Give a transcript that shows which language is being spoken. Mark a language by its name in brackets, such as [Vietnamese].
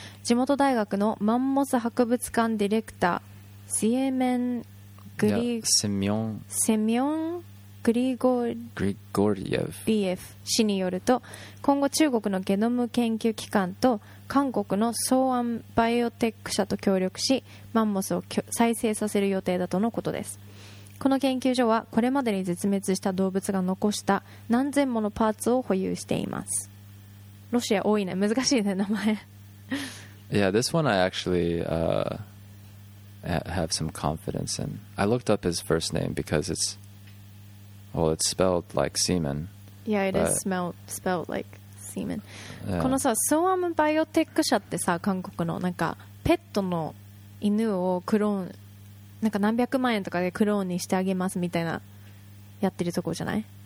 [Japanese] 地元大学のマンモス博物館ディレクター、セミョン・グリゴリエフ氏によると、今後中国のゲノム研究機関と韓国のソーアンバイオテック社と協力しマンモスを再生させる予定だとのことです。この研究所はこれまでに絶滅した動物が残した何千ものパーツを保有しています。ロシア多いね。難しいね、名前。 [English] Yeah, this one I actually have some confidence in. I looked up his first name because it's spelled like semen. Yeah, it is spelled like... Semen. Yeah. [Japanese] このさ、ソアムバイオテック社ってさ、韓国のなんかペットの犬をクローン、なんか何百万円とかでクローンにしてあげますみたいなやってるとこじゃない？